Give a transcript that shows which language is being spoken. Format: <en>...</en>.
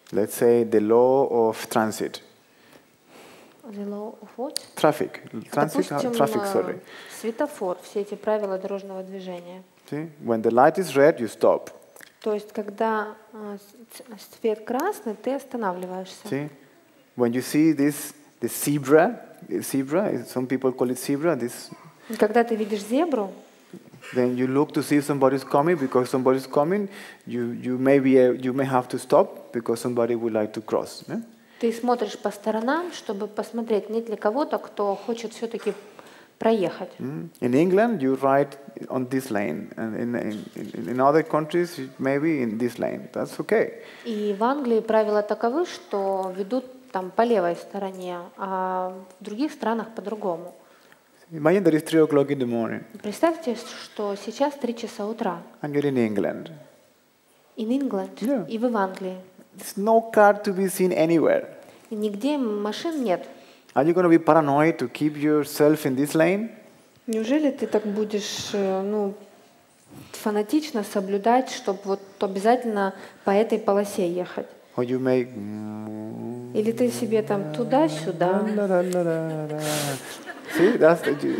<en>Let's say the law of transit. The law of what? Traffic. Transit,</en> <ru>допустим,</ru> <en>traffic, sorry.</en> <ru>Светофор, все эти правила дорожного движения.</ru> <en>See? When the light is red, you stop.</en> <ru>То есть, когда свет красный, ты останавливаешься.</ru> <en>See? When you see this, the zebra, some people call it zebra, this.</en> <ru>Когда ты видишь зебру,</ru> <en>then you look to see if somebody's coming, because somebody's coming, you may have to stop because somebody would like to cross. Yeah?</en> <ru>Ты смотришь по сторонам, чтобы посмотреть, нет ли кого-то, кто хочет все-таки проехать. Mm-hmm.</ru> <en>In England you ride on this lane, and in other countries maybe in this lane. That's okay.</en> <ru>И в Англии правила таковы, что ведут там по левой стороне, а в других странах по-другому.</ru> <en>Imagine that it's 3 o'clock in the morning.</en> <ru>Представьте, что сейчас 3 часа утра.</ru> <en>And you're in England. In England. Yeah.</en> <ru>И вы в Англии.</ru> <en>There's no car to be seen anywhere.</en> <ru>И нигде машин нет.</ru> <en>Are you going to be paranoid to keep yourself in this lane?</en> <ru>Неужели ты так будешь, ну, фанатично соблюдать, чтобы вот обязательно по этой полосе ехать?</ru> <en>Or you may.</en> <ru>Или ты себе там туда-сюда.</ru> <en>See, that's the.</en>